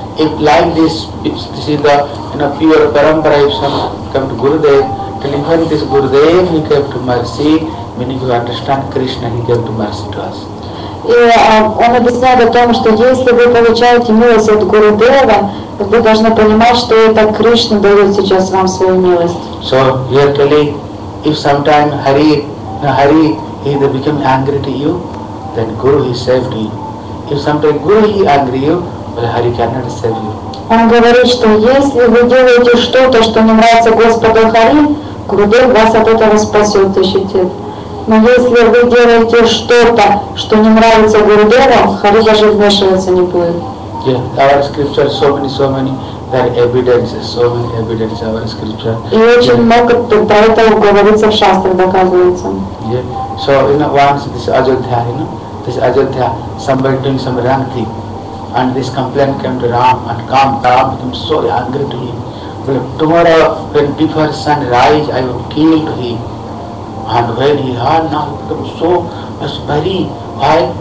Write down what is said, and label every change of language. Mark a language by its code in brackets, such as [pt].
[en] If like this, if this is the, you know, pure parampara, if some come to Gurudev, telling when this Gurudev, he came to mercy, meaning you understand Krishna, he came to mercy to us. [ru] И он объясняет о том, что если вы получаете милость от Гурудева, вы должны понимать, что это Кришна дает сейчас вам свою милость. [en] So, you're telling, if sometime Hari, either become angry to you, then Guru is saved to you. If sometime Guru is angry to you, well, Hari cannot save you. [ru] Он говорит, что если вы делаете что-то, что не нравится Господу Хари, Гурудев вас от этого спасет, защитит. Но если вы делаете что-то, что не нравится Гурудеву, Хари даже вмешиваться не будет. [en] Yeah, our scripture, so many, there are evidences, so many evidences of our scripture. [ru] И очень много про это говорится в шастрах, доказывается. [en] Yeah, so, you know, once this Ajodhya, you know, this Ajodhya, somebody doing some wrong thing, and this complaint came to Ram, and Ram became so angry to him. But tomorrow, when before sun rise, I will kill to him. And when he heard now, he became so, was very, why?